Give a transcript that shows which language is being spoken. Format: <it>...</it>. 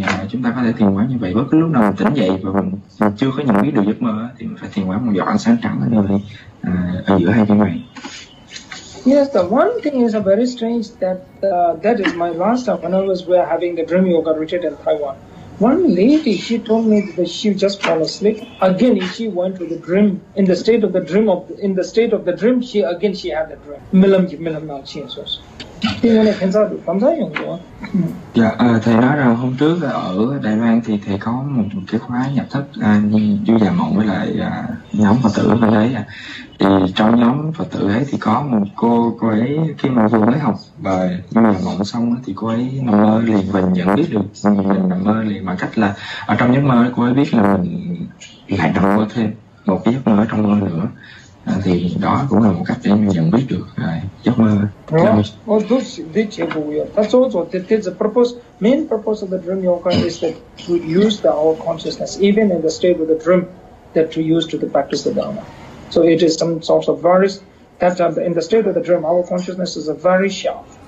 <vi>Chúng ta có thể thiền quán như vậy, bất cứ lúc nào mình tỉnh dậy và mình chưa có nhận biết được giấc mơ thì mình phải thiền quán một giọt ánh sáng trắng ở nơi ở giữa hai chân mày.</vi> <en>Yes, the one thing is a very strange that that is my last time when I was having the dream yoga retreat in Taiwan. One lady, she told me that she just fell asleep. Again, she went to the dream. In the state of the dream, she again she had the dream. Milam nào chi so. Thì mình phải sao được? Cảm thấy không có.</en> <vi>Dạ, thầy nói rằng hôm trước ở Đài Loan thì thầy có một cái khóa nhập thất như Du Già Mộng với lại nhóm Phật tử ở đấy. Thì trong nhóm Phật tử ấy thì có một cô ấy khi mà vừa mới học bài Du Già Mộng xong thì cô ấy nằm mơ liền và nhận biết được mình nằm mơ liền bằng cách là ở trong giấc mơ cô ấy biết là mình lại nằm mơ thêm một cái giấc mơ trong mơ nữa. Thì đó cũng là một cách để mình nhận biết được giấc mơ.</vi> <en>Oh, this is very weird. That's also the purpose, main purpose of the dream yoga is that to use the our consciousness even in the state of the dream that we use to the practice the dharma. So it is some sort of various that in the state of the dream our consciousness is a very sharp.</en>